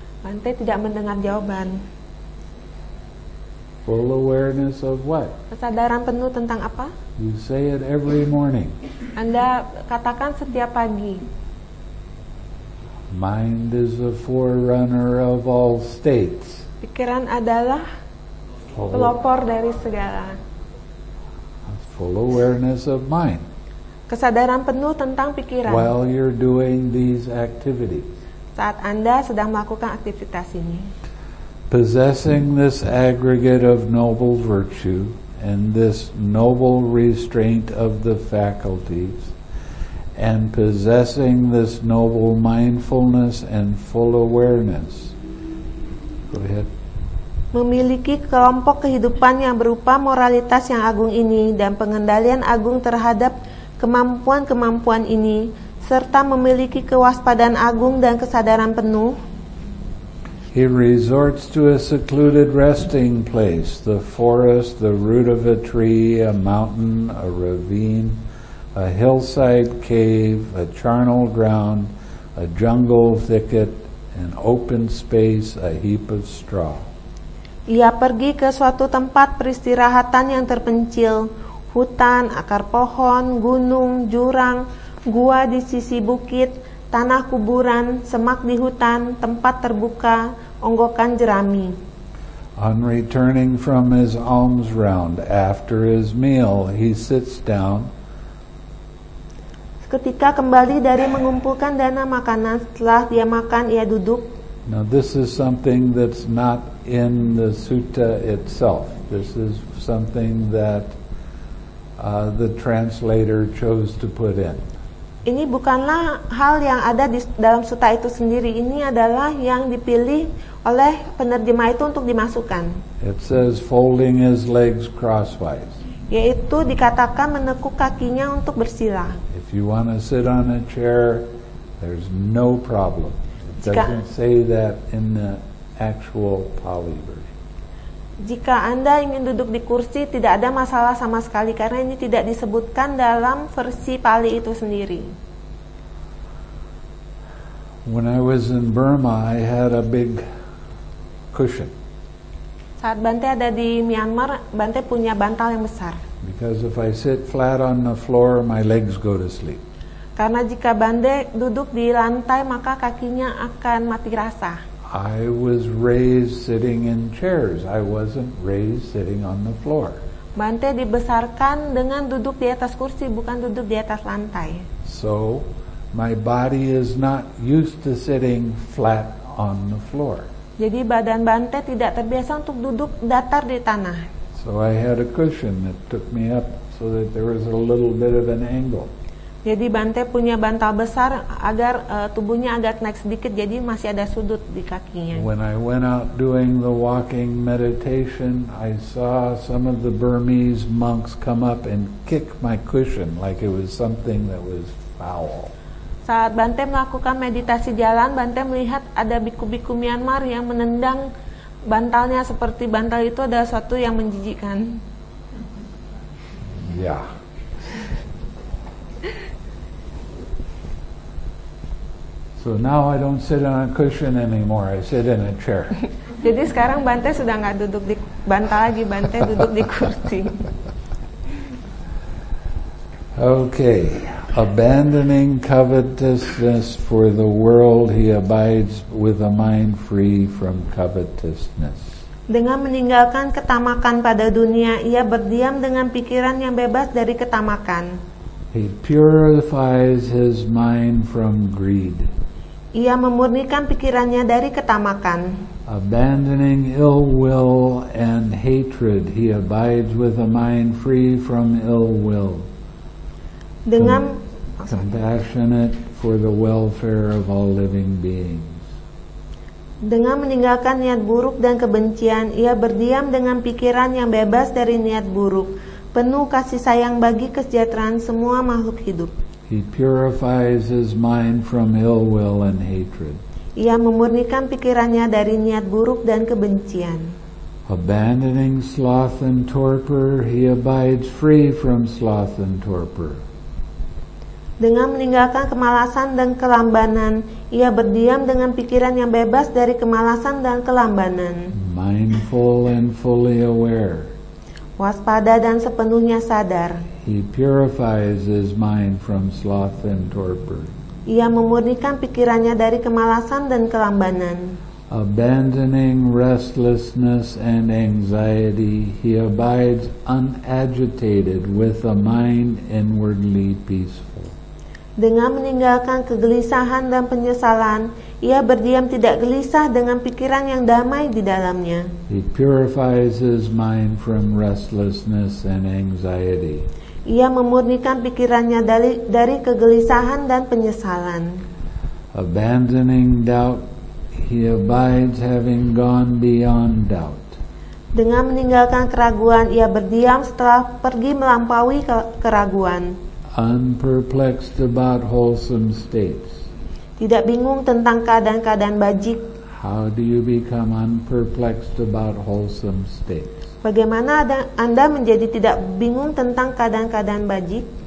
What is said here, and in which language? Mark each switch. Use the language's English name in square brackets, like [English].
[Indonesian] Bante tidak mendengar jawaban. [English] Full awareness of what? [Indonesian] Kesadaran penuh tentang apa? [English] You say it every morning. [Indonesian] Anda katakan setiap pagi. [English] Mind is a forerunner of all states. [Indonesian] Pikiran adalah pelopor dari segala. [English] Full awareness of mind. [Indonesian] Kesadaran penuh tentang pikiran. [English] While you're doing these activities. [Indonesian] Saat Anda sedang melakukan aktivitas ini. [English] Possessing this aggregate of noble virtue and this noble restraint of the faculties, and possessing this noble mindfulness and full awareness. Go ahead. [Indonesian] Memiliki kelompok kehidupan yang berupa moralitas yang agung ini dan pengendalian agung terhadap kemampuan-kemampuan ini, serta memiliki kewaspadaan agung dan kesadaran penuh. [English] He resorts to a secluded resting place, the forest, the root of a tree, a mountain, a ravine, a hillside cave, a charnel ground, a jungle thicket, an open space, a heap of straw. [Indonesian] Ia pergi ke suatu tempat peristirahatan yang terpencil, hutan, akar pohon, gunung, jurang, gua di sisi bukit, tanah kuburan, semak di hutan, tempat terbuka, onggokan jerami. [English] On returning from his alms round, after his meal, he sits down. [Indonesian] Ketika kembali dari mengumpulkan dana makanan, setelah dia makan, ia duduk. [English] Now this is something that's not in the sutta itself. This is something that the translator chose to put in. [Indonesian] Ini bukanlah hal yang ada di dalam sutta itu sendiri. Ini adalah yang dipilih oleh penerjemah itu untuk dimasukkan. [English] It says folding his legs crosswise. [Indonesian] Yaitu dikatakan menekuk kakinya untuk bersila. [English] If you want to sit on a chair, there's no problem. It doesn't say that in the actual Pali version. [Indonesian] Jika Anda ingin duduk di kursi, tidak ada masalah sama sekali karena ini tidak disebutkan dalam versi Pali itu sendiri. [English] When I was in Burma, I had a big cushion. [Indonesian] Saat Bante ada di Myanmar, Bante punya bantal yang besar. [English] Because if I sit flat on the floor, my legs go to sleep. [Indonesian] Karena jika Bande duduk di lantai, maka kakinya akan mati rasa. [English] I was raised sitting in chairs. I wasn't raised sitting on the floor. [Indonesian] Bante dibesarkan dengan duduk di atas kursi, bukan duduk di atas lantai. [English] So, my body is not used to sitting flat on the floor. [Indonesian] Jadi badan Bante tidak terbiasa untuk duduk datar di tanah. [English] So I had a cushion that took me up so that there was a little bit of an angle. [Indonesian] Jadi Bante punya bantal besar agar tubuhnya agak naik sedikit, jadi masih ada sudut di kakinya. [English] When I went out doing the walking meditation, I saw some of the Burmese monks come up and kick my cushion like it was something that was foul. [Indonesian] Saat Bante melakukan meditasi jalan, Bante melihat ada biku-biku Myanmar yang menendang bantalnya seperti bantal itu adalah sesuatu yang menjijikkan. [English] Yeah. So now I don't sit on a cushion anymore. I sit in a chair. [Indonesian] Jadi sekarang Bante sudah enggak duduk di bantal lagi, Bante duduk di kursi. [English] Okay. Abandoning covetousness for the world, he abides with a mind free from covetousness. [Indonesian] Dengan meninggalkan ketamakan pada dunia, ia berdiam dengan pikiran yang bebas dari ketamakan. [English] He purifies his mind from greed. [Indonesian] Ia memurnikan pikirannya dari ketamakan. [English] Abandoning ill will and hatred, he abides with a mind free from ill will. [Indonesian] Dengan [English] compassionate for the welfare of all living beings. [Indonesian] Dengan meninggalkan niat buruk dan kebencian, ia berdiam dengan pikiran yang bebas dari niat buruk, penuh kasih sayang bagi kesejahteraan semua makhluk hidup. [English] He purifies his mind from ill will and hatred. [Indonesian] Ia memurnikan pikirannya dari niat buruk dan kebencian. [English] Abandoning sloth and torpor, he abides free from sloth and torpor. [Indonesian] Dengan meninggalkan kemalasan dan kelambanan, ia berdiam dengan pikiran yang bebas dari kemalasan dan kelambanan. [English] Mindful and fully aware. [Indonesian] Waspada dan sepenuhnya sadar. [English] He purifies his mind from sloth and torpor. [Indonesian] Ia memurnikan pikirannya dari kemalasan dan kelambanan. [English] Abandoning restlessness and anxiety, he abides unagitated with a mind inwardly peaceful. [Indonesian] Dengan meninggalkan kegelisahan dan penyesalan, ia berdiam tidak gelisah dengan pikiran yang damai di dalamnya. [English] He purifies his mind from restlessness and anxiety. [Indonesian] Ia memurnikan pikirannya dari kegelisahan dan penyesalan. [English] Abandoning doubt, he abides having gone beyond doubt. [Indonesian] Dengan meninggalkan keraguan, ia berdiam setelah pergi melampaui keraguan. [English] Unperplexed about wholesome states. [Indonesian] Tidak bingung tentang keadaan-keadaan bajik. [English] How do you become unperplexed about wholesome states? [Indonesian] Bagaimana Anda menjadi tidak bingung tentang keadaan-keadaan bajik?